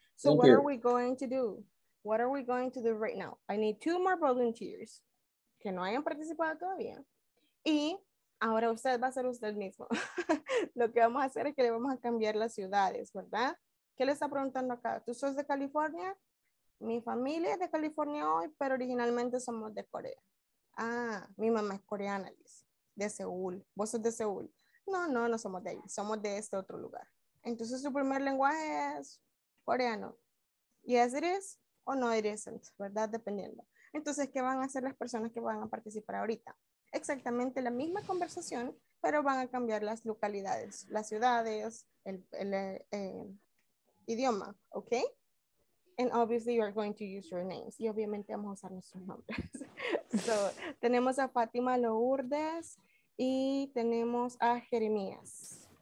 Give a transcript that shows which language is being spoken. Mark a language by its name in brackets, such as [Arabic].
[English] So thank what you. Are we going to do? What are we going to do right now? I need two more volunteers que no hayan participado todavía. [Spanish] Y ahora usted va a ser usted mismo. Lo que vamos a hacer es que le vamos a cambiar las ciudades, ¿verdad? ¿Qué le está preguntando acá? ¿Tú sos de California? Mi familia es de California hoy, pero originalmente somos de Corea. Ah, mi mamá es coreana, dice. De Seúl. ¿Vos sos de Seúl? No somos de ahí. Somos de este otro lugar. Entonces, ¿su primer lenguaje es coreano? Yes, it is. O no, it isn't, ¿verdad? Dependiendo. Entonces, ¿qué van a hacer las personas que van a participar ahorita? Exactamente la misma conversación, pero van a cambiar las localidades, las ciudades, el idioma, ¿ok? [English] And obviously you are going to use your names. [Spanish] Y obviamente vamos a usar nuestros nombres. So, tenemos a Fátima Lourdes y tenemos a Jeremías.